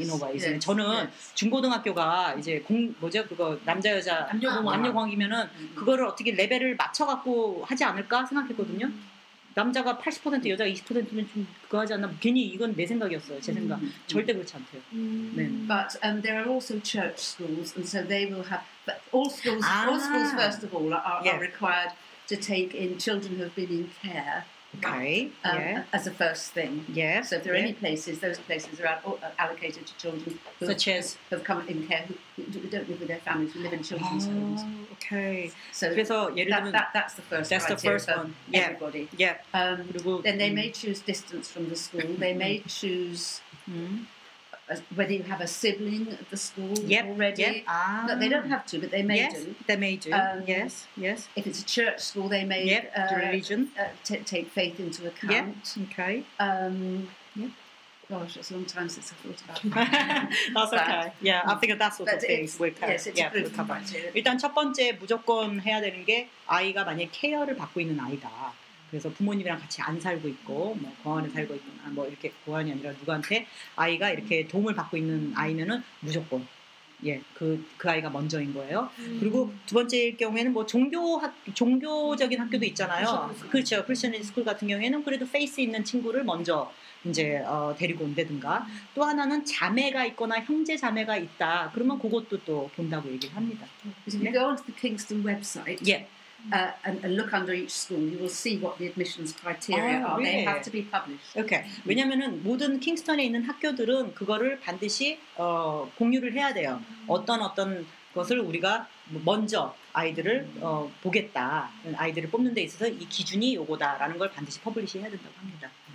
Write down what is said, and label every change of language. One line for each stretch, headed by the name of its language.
English: In a way. Yes.
Korean: 저는
English: yes.
Korean: 중고등학교가 이제 공 뭐죠 그거 남자 여자 남녀공학이면은 그거를 어떻게 레벨을 맞춰갖고 하지 않을까 생각했거든요. 남자가 80% 여자가 20%면 좀 그거 하지 않나 괜히 이건 내 생각이었어요 제 생각 절대 그렇지 않대요. 네.
English: But there are also church schools, and so they will have. But all schools, all schools first of all are, yeah. are required to take in children who have been in care. Okay. Yeah. As a first thing. Yeah. So if there are yeah. any places, those places are allocated to children who such have, as have come in care who don't live with their families, who live in children's oh, homes. Okay. So that's the first. That's the first one. Yeah. Everybody. Yeah. Then they may choose distance from the school. They may choose whether you have a sibling at the school yep. already. Yep. But they don't have to, but they may yes, do. They may do. Yes. Yes. If it's a church school, they may yep. Religion. Take faith into account. Yep. Okay. Gosh, it's a long time since I thought about that. That's but, okay. Yeah, I think that's all the things we'll cover. Yes, it's yeah, we'll cover. Criteria.
Korean: 일단 첫 번째 무조건 해야 되는 게 아이가 만약 케어를 받고 있는 아이다. 그래서 부모님이랑 같이 안 살고 있고 뭐 공원에 살고 있거나 뭐 이렇게 공원이 아니라 누구한테 아이가 이렇게 도움을 받고 있는 아이면은 무조건 예 그 아이가 먼저인 거예요. 그리고 두 번째일 경우에는 뭐 종교적인 학교도 있잖아요. 그렇죠. 크리스천 스쿨 같은 경우에는 그래도 페이스 있는 친구를 먼저 이제 데리고 온다든가. 또 하나는 자매가 있거나 형제 자매가 있다. 그러면 그것도 또 본다고 얘기를 합니다.
English: If you go onto the Kingston website. Yeah. And look under each school, you will see what the admissions criteria oh, are. Really? They have to be published. Okay.
Korean: 왜냐면은 모든 킹스턴에 있는 학교들은 그거를 반드시 공유를 해야 돼요. 어떤 것을 우리가 먼저 아이들을 보겠다. 아이들을 뽑는 데 있어서 이 기준이 요거다라는 걸 반드시 퍼블리시 해야 된다고 합니다.